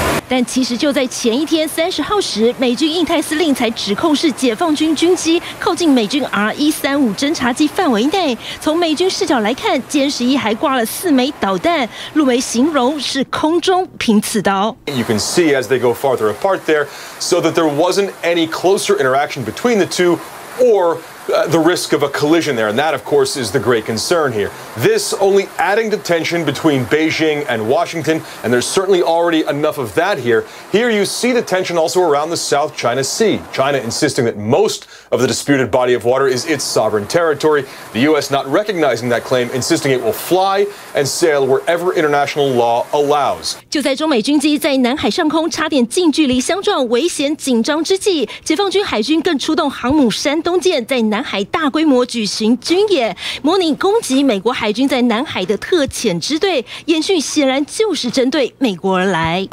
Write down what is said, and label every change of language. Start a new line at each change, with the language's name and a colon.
Chinese: 但其实就在前一天30号时，美军印太司令才指控是解放军军机靠近美军 RE-35 侦察机范围内。从美军视角来看，歼十一还挂了4枚导弹，陆媒形容是空中频刺刀。
English: You can see as they go farther apart there, so that there wasn't any closer interaction between the two, or the risk of a collision there. And that, of course, is the great concern here. This only adding to tension between Beijing and Washington, and there's certainly already enough of that here. Here you see the tension also around the South China Sea. China insisting that most of the disputed body of water is its sovereign territory. The U.S. not recognizing that claim, insisting it will fly and sail wherever international law allows.
Chinese: 就在中美军机在南海上空差点近距离相撞，危险紧张之际，解放军海军更出动航母山东舰在南海大规模举行军演，模拟攻击美国海军在南海的特遣支队，演训显然就是针对美国而来。